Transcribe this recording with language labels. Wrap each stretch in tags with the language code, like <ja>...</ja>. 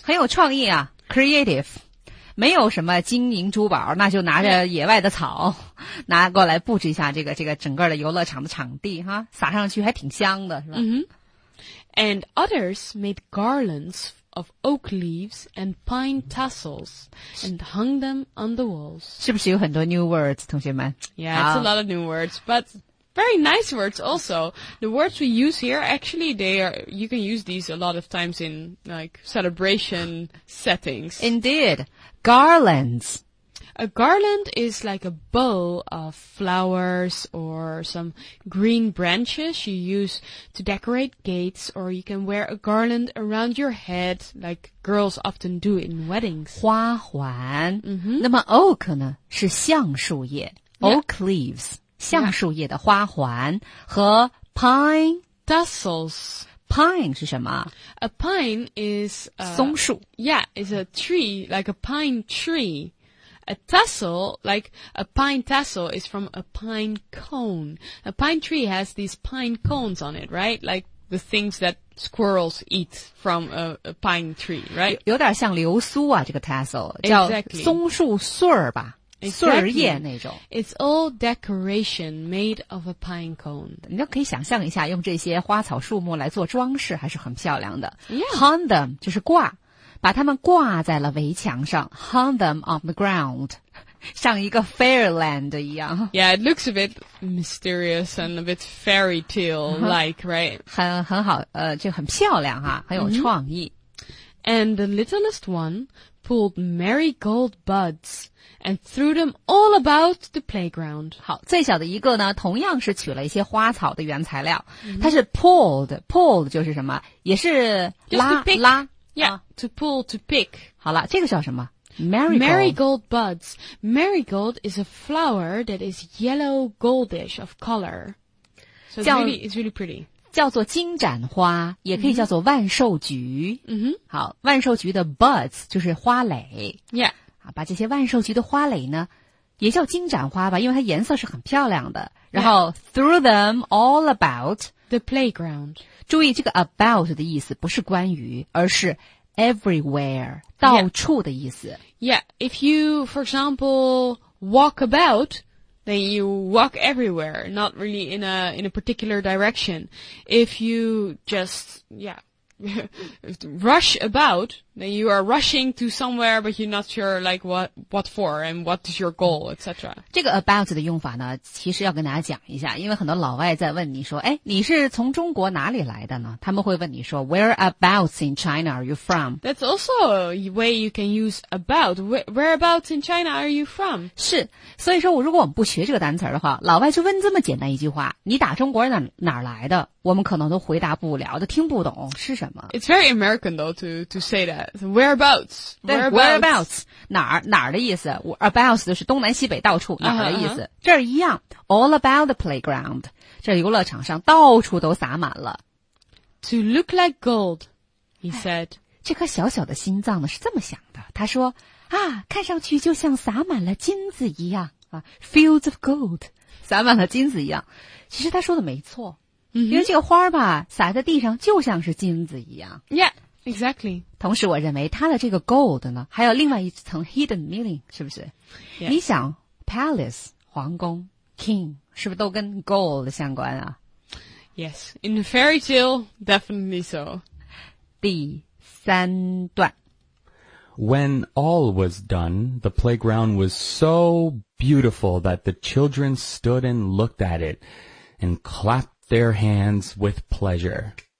<zh>很有创意啊 ,creative. 没有什么金银珠宝那就拿着野外的草、yeah. 拿过来布置一下这个整个的游乐场的场地哈撒上去还挺香的是吧、 mm-hmm.</zh> <en>And others made garlands of oak leaves and pine tassels and hung them on the walls.</en> <zh>是不是有很多</zh> <en>new words,</en> <zh>同学们</zh> <en>Yeah, it's a lot of new words, but very nice words also. The words we use here, actually, you can use these a lot of times in like celebration settings. Indeed. Garlands. A garland is like a bow of flowers or some green branches you use to decorate gates, or you can wear a garland around your head, like girls often do in weddings.</en> <zh>花环、 mm-hmm. 那么 oak 呢是橡树叶、</zh> <en>yeah. oak leaves,</en> <zh>橡树叶的花环、yeah. 和 pine</zh> <en>tassels.</en> <zh>Pine 是什么</zh> <en>A pine is a,</en> <zh>松树</zh> <en>Yeah, it's a tree, like a pine tree. A tassel, like a pine tassel, is from a pine cone. A pine tree has these pine cones on it, right? Like the things that squirrels eat from a pine tree, right?</en> <zh>有点像流苏啊，这个 tassel、</zh> <en>exactly.</en> <zh>叫松树穗儿吧，</zh> <en>exactly.</en> <zh>穗儿叶那种。</zh> <en>It's all decoration made of a pine cone.</en> <zh>你就可以想象一下，用这些花草树木来做装饰，还是很漂亮的。</zh> <en>Yeah. Hung them</en> <zh>就是挂。把它们挂在了围墙上 ,</zh> <en>hung them on the ground,</en> <zh>像一个 fairyland 一样。</zh> <en>Yeah, it looks a bit mysterious and a bit fairy tale-like, right?</en> <zh>很好这个很漂亮哈很有创意。</zh> <en>And the littlest one pulled marigold buds and threw them all about the playground.</en> <zh>好最小的一个呢同样是取了一些花草的原材料。 Mm-hmm. 它是 pulled 就是什么也是拉拉。</zh> <en>Yeah, to pull, to pick.</en> <zh>好了这个叫什么</zh> <en>Marigold. Marigold buds. Marigold is a flower that is yellow goldish of color. So it's really pretty.</en> <zh>叫做金盏花也可以叫做万寿菊。 Mm-hmm. 好万寿菊的 buds 就是花蕾。</zh> <en>Yeah.</en> <zh>把这些万寿菊的花蕾呢也叫金盏花吧因为它颜色是很漂亮的。</zh> <en>然后 threw them all about the playground.</en> <zh>注意这个 about 的意思不是关于而是</zh> <en>everywhere,</en> <zh>到处的意思。</zh> <en>Yeah, if you, for example, walk about, then you walk everywhere, not really in a particular direction. If you just, yeah, rush about, then you are rushing to somewhere, but you're not sure like what for and what is your goal, etc.</en> <zh>这个 about 的用法呢其实要跟大家讲一下因为很多老外在问你说哎，你是从中国哪里来的呢他们会问你说</zh> <en>whereabouts in China are you from? That's also a way you can use about. Whereabouts in China are you from?</en> <zh>是所以说如果我们不学这个单词的话老外就问这么简单一句话你打中国人哪来的我们可能都回答不了都听不懂是什么</zh> <en>It's very American though to say that. Whereabouts? Whereabouts?</en> <zh>哪儿的意思 ?Abouts 的是东南西北到处哪儿的意思、uh-huh. 这儿一样 ,</zh> <en>all about the playground,</en> <zh>这游乐场上到处都洒满了。</zh> <en>To look like gold, he said.</en> <zh>这颗小小的心脏呢是这么想的他说啊看上去就像洒满了金子一样、啊、,</zh> <en>fields of gold,</en> <zh>洒满了金子一样。其实他说的没错、 mm-hmm. 因为这个花吧洒在地上就像是金子一样。</zh> <en>Yeah. Exactly.</en> <zh>同时我认为它的这个 gold 呢还有另外一层</zh> <en>hidden meaning,</en> <zh>是不是、</zh> <en>yes.</en> <zh>你想 palace, 皇宫 king, 是不是都跟 gold 相关啊</zh> <en>Yes, in the fairy tale, definitely so.</en> <zh>第三段。</zh> <en>When all was done, the playground was so beautiful that the children stood and looked at it and clapped their hands with pleasure.</en>